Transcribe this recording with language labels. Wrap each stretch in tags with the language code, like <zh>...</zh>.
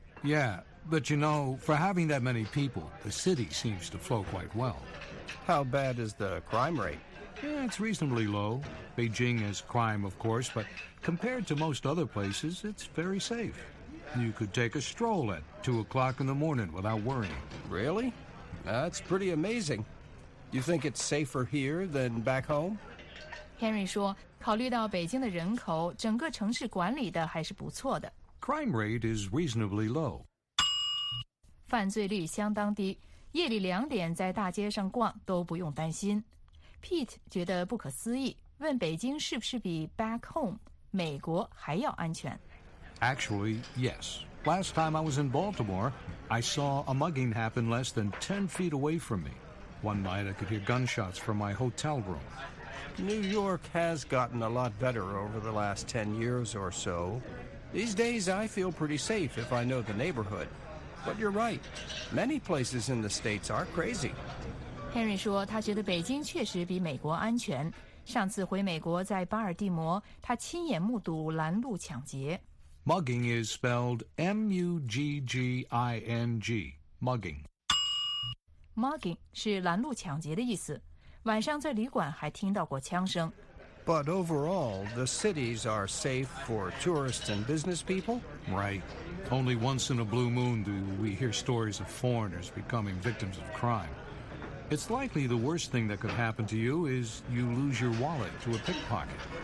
<en>Yeah, but you know, for having that many people, the city seems to flow quite well. How bad is the crime rate? Yeah, it's reasonably low. Beijing has crime, of course, but compared to most other places, it's very safe. You could take a stroll at 2 o'clock in the morning without worrying. Really? That's pretty amazing. You think it's safer here than back home?</en> <zh>Henry 说，考虑到北京的人口，整个城市管理的还是不错的。</zh> <en>Crime rate is reasonably low.</en> <zh>犯罪率相当低，夜里两点在大街上逛都不用担心。 Pete 觉得不可思议，问北京是不是比</zh> <en>back home</en> <zh>美国还要安全。</zh> <en>Actually, yes. Last time I was in Baltimore, I saw a mugging happen less than 10 feet away from me. One night I could hear gunshots from my hotel room. New York has gotten a lot better over the last 10 years or so. These days I feel pretty safe if I know the neighborhood. But you're right. Many places in the states are crazy.</en> <zh>Henry 说他觉得北京确实比美国安全。上次回美国在巴尔的摩，他亲眼目睹拦路抢劫。</zh> <en>Mugging is spelled M-U-G-G-I-N-G, mugging.</en> <zh>Mugging 是拦路抢劫的意思。晚上在旅馆还听到过枪声。</zh> <en>But overall, the cities are safe for tourists and business people? Right. Only once in a blue moon do we hear stories of foreigners becoming victims of crime. It's likely the worst thing that could happen to you is you lose your wallet to a pickpocket.</en>